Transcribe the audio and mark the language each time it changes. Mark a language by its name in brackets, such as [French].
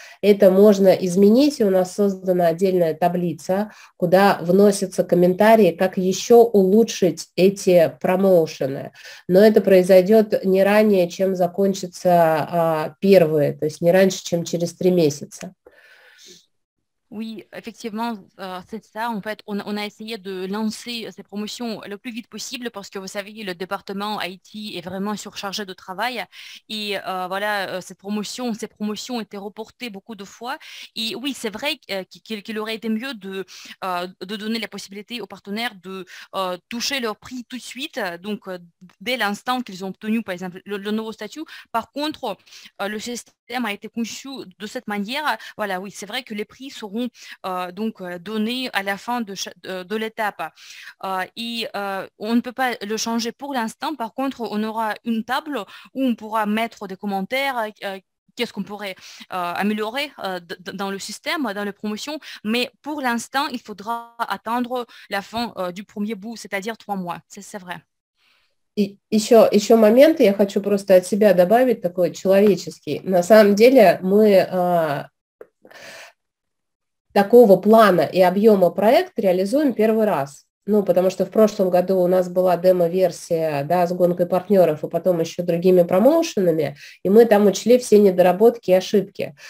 [Russian] Это можно изменить, и у нас создана отдельная таблица, куда вносятся комментарии, как еще улучшить эти промоушены. Но это произойдет не ранее, чем закончится первые, то есть не раньше, чем через 3 месяца. [French] Oui, effectivement, c'est ça. En fait, on a essayé de lancer ces promotions le plus vite possible parce que, vous savez, le département IT est vraiment surchargé de travail. Et voilà, ces promotions étaient reportées beaucoup de fois. Et oui, c'est vrai qu'il aurait été mieux de donner la possibilité aux partenaires de toucher leur prix tout de suite, donc dès l'instant qu'ils ont obtenu, par exemple, le nouveau statut. Par contre, le système a été conçu de cette manière. Voilà, oui, c'est vrai que les prix seront donc donnés à la fin de l'étape. On ne peut pas le changer pour l'instant. Par contre, on aura une table où on pourra mettre des commentaires, qu'est-ce qu'on pourrait améliorer dans le système, dans les promotions. Mais pour l'instant, il faudra attendre la fin du premier bout, c'est-à-dire 3 mois. C'est vrai. [Russian] И еще момент, я хочу просто от себя добавить такой человеческий. На самом деле мы такого плана и объема проект реализуем первый раз. Ну, потому что в прошлом году у нас была демо-версия, да, с гонкой партнеров и потом еще другими промоушенами, и мы там учли все недоработки и ошибки.